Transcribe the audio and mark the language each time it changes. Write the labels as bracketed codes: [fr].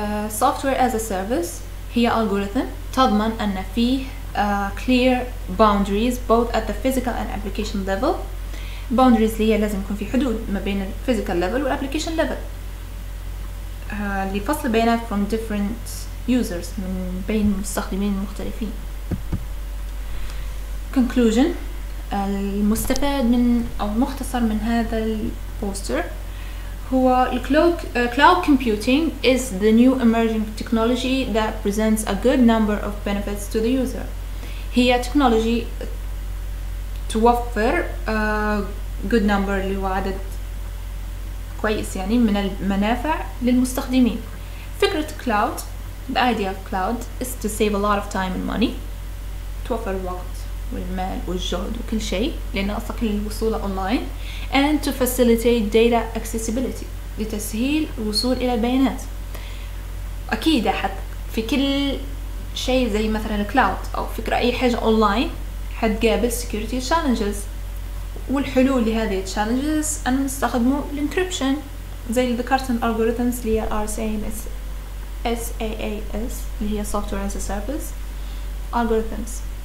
[en] software as a service هي algorithm [ar] تضمن أن فيه [en] clear boundaries both at the physical and application level. [ar] Boundaries اللي هي لازم يكون في حدود ما بين ال physical level وال application level لفصل بينها [en] from different users [ar] من بين مستخدمين مختلفين. [en] Conclusion [ar] المستفاد من أو مختصر من هذا البوستر هو [en] cloud computing is the new emerging technology that presents a good number of benefits to the user. [ar] هي technology توفر [en] good number [ar] اللي هو عدد كويس يعني من المنافع للمستخدمين. [en] فكرة cloud, the idea of cloud is to save a lot of time and money. [ar] توفر وقت والمال والجهد وكل شيء لأن أصلا الوصول أونلاين [en] and to facilitate data accessibility [ar] لتسهيل الوصول إلى البيانات. أكيد حد في كل شيء زي مثلا الكلاود أو فكرة أي حاجة أونلاين حتقابل security challenges والحلول لهذه challenges أن نستخدمه الانكريبشن زي الكارتن ألغوريثمز اللي هي RSAAS اللي هي software as a service algorithms.